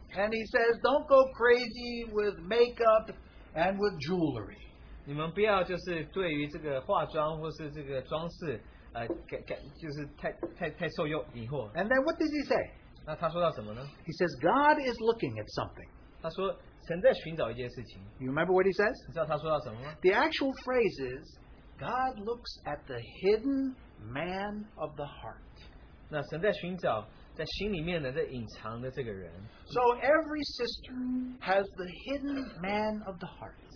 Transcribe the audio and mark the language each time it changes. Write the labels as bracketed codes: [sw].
[en] And he says, don't go crazy with makeup and with jewelry. [zh] 你们不要就是对于这个化妆或是这个装饰，就是太受诱惑。 [en] And then what does he say? [zh] 那他说到什么呢？ [en] He says God is looking at something. [zh] 他说神在寻找一件事情。 [en] You remember what he says? [zh] 你知道他说到什么吗？ [en] The actual phrase is, God looks at the hidden man of the heart. [zh] 那神在寻找在心里面的这隐藏的这个人。 [en] So every sister has the hidden man of the heart.